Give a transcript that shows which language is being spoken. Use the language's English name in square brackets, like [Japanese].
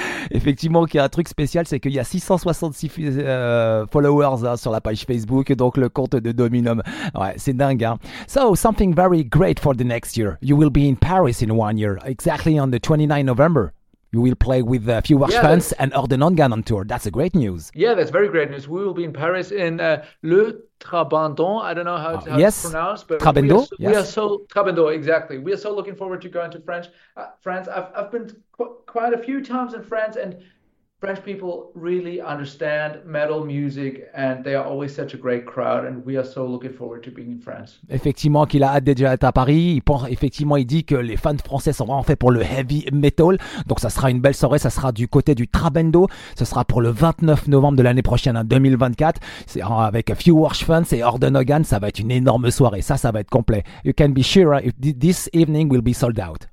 [French] Effectivement, qu'il y a un truc spécial, c'est qu'il y a 666 followers, hein, sur la page Facebook, donc le compte de Dominum. Ouais, c'est dingue, hein. [English] So, something very great for the next year. You will be in Paris in 1 year, exactly on the 29th November. You will play with a few Welsh fans and Ordenongan on tour. That's a great news. Yeah, that's very great news. We will be in Paris in Le Trabendon. I don't know how it's pronounced, but Trabendo. Trabendo, exactly. We are so looking forward to going to France. I've been quite a few times in France, and French people really understand metal music, and they are always such a great crowd, and we are so looking forward to being in France. [French] Effectivement, qu'il a hâte d'être à Paris. Il pense, effectivement, il dit que les fans français sont vraiment faits pour le heavy metal. Donc, ça sera une belle soirée. Ça sera du côté du Trabendo. Ce sera pour le 29 novembre de l'année prochaine, hein, 2024. C'est avec a few Welsh fans et Ordenogan. Ça va être une énorme soirée. Ça va être complet. [English] You can be sure, this evening will be sold out.